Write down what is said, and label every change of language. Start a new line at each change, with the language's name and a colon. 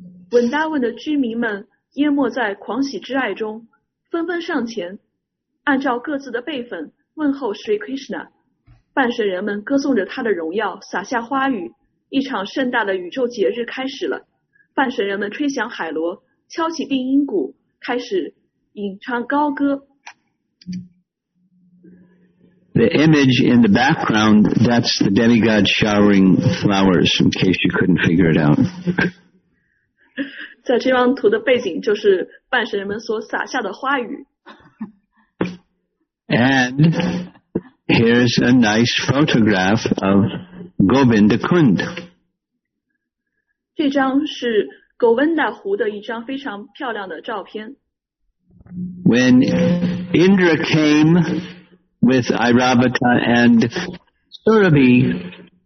Chinese: 文达文的居民们淹没在狂喜之爱中，纷纷上前按照各自的辈分问候 Sri Krishna。半神人们歌颂着他的荣耀，洒下花语，一场盛大的宇宙节日开始了。半神人们吹响海螺，敲起定音鼓，开始吟唱高歌。
English: The image in the background, that's the demigod showering flowers, in case you couldn't figure it out.
Chinese: 在这张图的背景就是半神人们所撒下的花语。
English: And here's a nice photograph of Govinda Kund.
Chinese: 这张是 Govinda 湖的一张非常漂亮的照片。
English: When Indra came, with Airavata and Surabhi